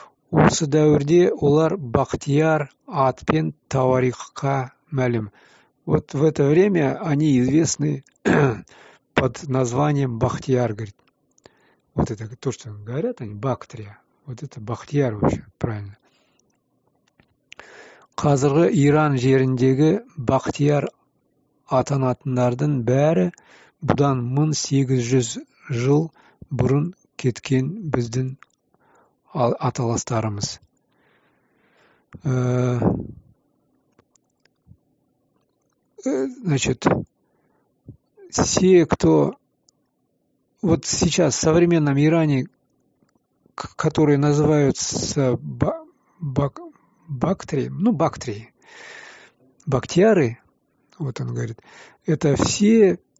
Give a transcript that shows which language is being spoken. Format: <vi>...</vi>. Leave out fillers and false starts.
<kk>Осы дәуірде олар Бахтияр атпен тауарихқа мәлім.</kk> <ru>Вот в это время они известны под названием Бахтияр, говорит. Вот это то, что говорят они, Бактрия. Вот это Бахтияр вообще, правильно.</ru> <kk>Қазіргі Иран жеріндегі Бахтияр атанатындардың бәрі бұдан 1800 жыл бұрын кеткен біздің аталастарымыз.</kk> <ru>Значит, все, кто вот сейчас в современном Иране, которые называются Бактрии, ну, Бактрии, Бактиары, вот он говорит, это все</ru>